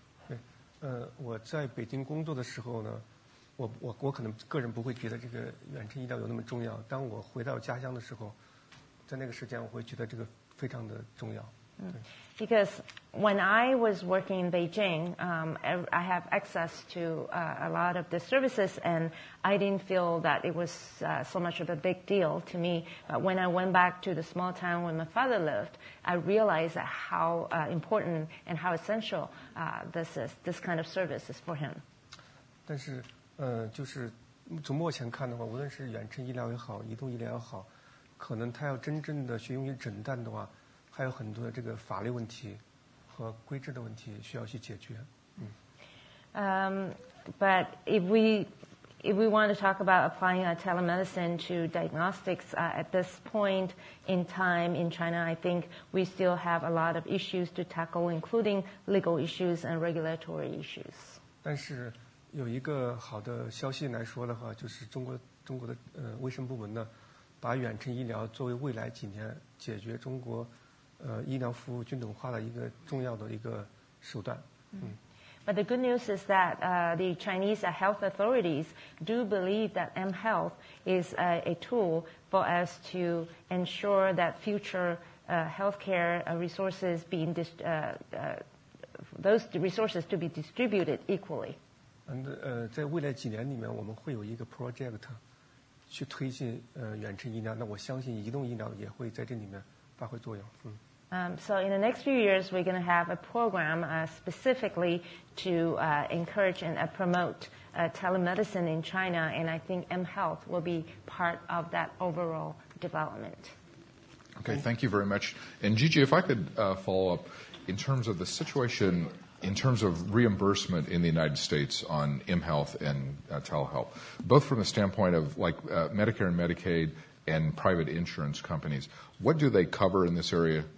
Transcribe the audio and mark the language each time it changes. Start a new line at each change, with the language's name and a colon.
Chinese: 对，我在北京工作的时候呢，我可能个人不会觉得这个远程医疗有那么重要。当我回到家乡的时候，在那个时间，我会觉得这个非常的重要。
English: Because when I was working in Beijing, I have access to a lot of the services, and I didn't feel that it was so much of a big deal to me. But when I went back to the small town where my father lived, I realized how important and how essential this kind of service is for him.
Chinese: 但是，就是从目前看的话，无论是远程医疗也好，移动医疗也好，可能它要真正的去用于诊断的话。还有很多的这个法律问题和规制的问题需要去解决。
English: But if we want to talk about applying telemedicine to diagnostics at this point in time in China, I think we still have a lot of issues to tackle, including legal issues and regulatory issues.
Chinese: 但是有一个好的消息来说的话，就是中国的卫生部门呢，把远程医疗作为未来几年解决中国。医疗服务均等化的一个重要的一个手段。
English: But the good news is that the Chinese health authorities do believe that mHealth is a tool for us to ensure that future healthcare resources being those resources to be distributed equally.
Chinese: 在未来几年里面，我们会有一个 project 去推进远程医疗。那我相信移动医疗也会在这里面发挥作用。
English: So in the next few years, we're going to have a program specifically to encourage and promote telemedicine in China, and I think mHealth will be part of that overall development. Okay, thank you very much. And Gigi, if I could follow up, in terms of the situation, in terms of reimbursement in the United States on mHealth and telehealth, both from the standpoint of like Medicare and Medicaid, and private insurance companies, what do they cover in this area?